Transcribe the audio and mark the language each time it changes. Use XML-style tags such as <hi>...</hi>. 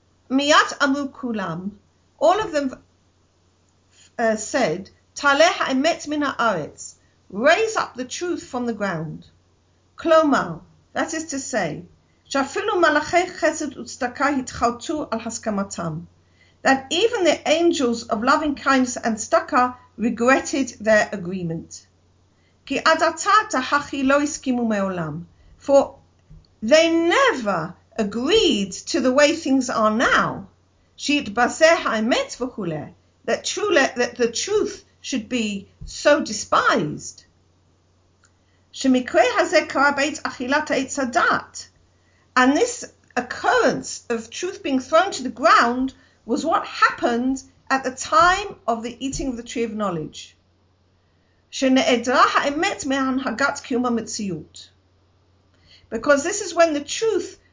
<he>מיד אמרו כולם,</he> <en>all of them said,</en> <he>תעלה האמת מן הארץ,</he> <en>raise up the truth from the ground.</en> <he>כלומר,</he> <en>that is to say,</en> <he>שאפילו מלאכי חסד וצדקה התחלטו על הסכמתם,</he> <en>that even the angels of loving kindness and צדקה regretted their agreement.</en> <he>כי עד עתה תחכי לא הסכימו מעולם.</he> <en>For they never agreed to the way things are now.</en> <he>שיתבזה האמת וכולי.</he> <en>That the truth should be so despised.</en> <he>שמקרה הזה קרה בעת אכילת עץ הדעת.</he> <en>And this occurrence of truth being thrown to the ground was what happened at the time of the eating of the tree of knowledge.</en> <he>שנעדרה האמת מהנהגת קיום המציאות.</he> <en>Because this is when the truth</en>